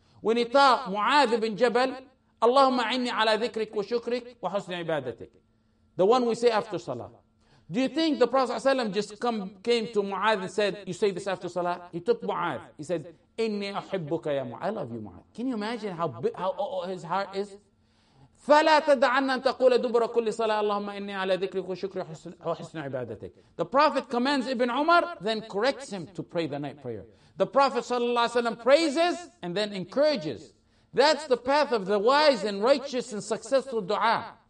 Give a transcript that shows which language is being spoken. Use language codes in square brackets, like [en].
[en] When he taught Mu'adh ibn Jabal, [ar] Allahumma inni ala dhikrik wa shukrik wa husni ibadatik. [en] The one we say after salah. Do you think the Prophet ﷺ just came to Mu'adh and said, you say this after salah? He took Mu'adh. He said, [ar] inni ahibbuka ya Mu'adh. [en] I love you, Mu'adh. Can you imagine how his heart is? [ar] فلا تدعنا أن تقول دبر كل صلاة اللهم إني على ذكرك وشكر وحسن عبادتك. [en] The Prophet commands Ibn Umar, then corrects him to pray the night prayer. The Prophet صلى الله عليه وسلم praises and then encourages. That's the path of the wise and righteous and successful du'a.